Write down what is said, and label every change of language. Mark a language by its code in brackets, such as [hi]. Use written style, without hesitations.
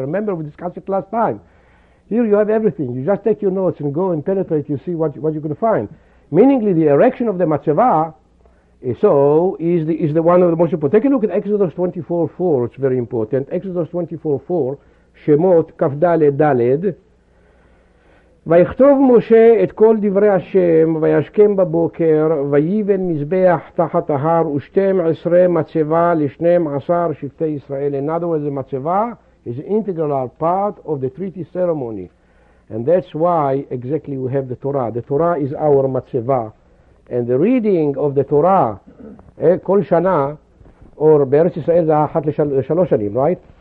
[en] Remember, we discussed it last time. Here you have everything. You just take your notes and go and penetrate, you see what you're going to find. Meaningly, the erection of the Matzeva is the one of the most important. Take a look at Exodus 24:4, it's very important. Exodus 24:4, Shemot, Kafdaled, Daled. [he] ויכתוב משה את כל דברי השם וישכם בבוקר ויבן מזבח תחת ההר ושתים עשרה מצבה לשנים עשר שבטי ישראל. [en] In other words, the מצבה is an integral part of the treaty ceremony. And that's why exactly we have the Torah. The Torah is our מצבה. And the reading of the Torah [he] כל שנה, [en] or [he] בארץ ישראל זה אחת לשלוש שנים, [en] right?